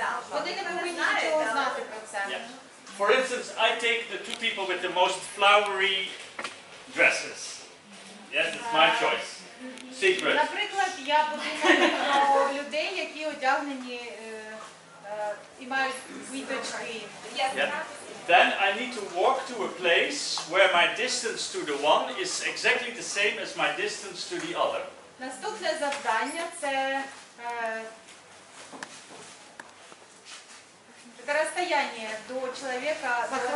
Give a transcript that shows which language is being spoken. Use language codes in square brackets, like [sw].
[uk] Вони не повинні нічого знати про це. [en] For instance, I take the two people with the most flowery dresses. Yes, it's my choice. Secret. [uk] Наприклад, я подумаю про людей, які одягнені і мають квіточки. [en] Then I need to walk to a place where my distance to the one is exactly the same as my distance to the other. [uk] Наступне завдання це розстояння до чоловіка